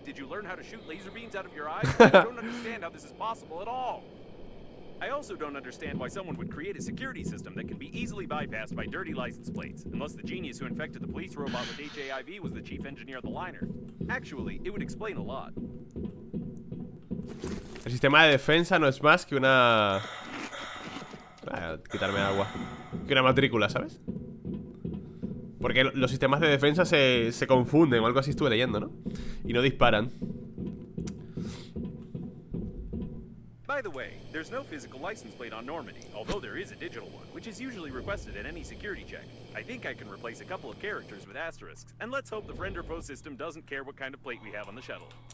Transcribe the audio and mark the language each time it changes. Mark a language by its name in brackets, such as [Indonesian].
[English] Did you learn how to shoot laser beams out of your eyes? I don't understand how this is possible at all. I also don't understand why someone would create a security system that can be easily bypassed by dirty license plates, unless the genius who infected the police robot with HAIV was the chief engineer of the liner. Actually, it would explain a lot. [Spanish] El sistema de defensa no es más que una... quitarme agua. Que una matrícula, ¿sabes? Porque los sistemas de defensa se confunden, o algo así estuve leyendo, ¿no? Y no disparan. [English] By the way, there's no physical license plate on Normandy, although there is a digital one, which is usually requested at any security check. I think I can replace a couple of characters with asterisks, and let's hope the friend or foe system doesn't care what kind of plate we have on the shuttle.